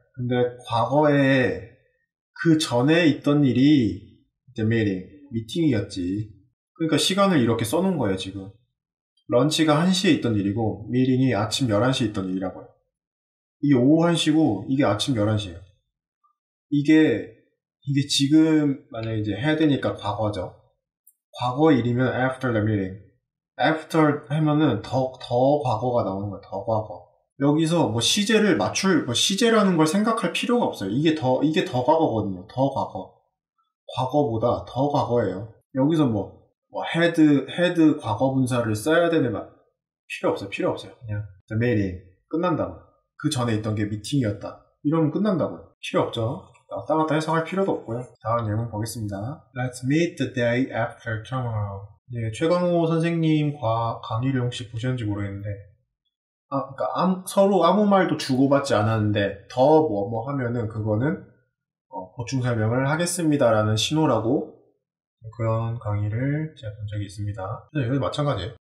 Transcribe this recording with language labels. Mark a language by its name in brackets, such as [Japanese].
[Korean] 근데 과거에 그 전에 있던 일이 [English] the meeting. [Korean] 미팅이었지. 그러니까 시간을 이렇게 써놓은 거예요, 지금. 런치가 1시에 있던 일이고, 미팅이 아침 11시에 있던 일이라고요. 이게 오후 1시고, 이게 아침 11시예요. 이게 지금, 만약에 이제 해야 되니까 과거죠. 과거 일이면 [English] after the meeting. [Korean] after 하면은 더 과거가 나오는 거예요, 더 과거. 여기서 뭐 시제를 맞출, 뭐 시제라는 걸 생각할 필요가 없어요. 이게 더 과거거든요, 더 과거. 과거보다 더 과거예요. 여기서 head 과거분사를 써야 되는 말 필요 없어요. 그냥 [English] the meeting [Korean] 끝난다고. 그 전에 있던 게 미팅이었다. 이러면 끝난다고요. 필요 없죠. 왔다 갔다 해석할 필요도 없고요. 다음 예문 보겠습니다. [English] Let's meet the day after tomorrow. [Korean] 네, 최강호 선생님 강의를 혹시 보셨는지 모르겠는데, 서로 아무 말도 주고받지 않았는데 더 뭐뭐 하면은 그거는 보충 설명을 하겠습니다라는 신호라고 그런 강의를 제가 본 적이 있습니다. 네, 여기도 마찬가지예요.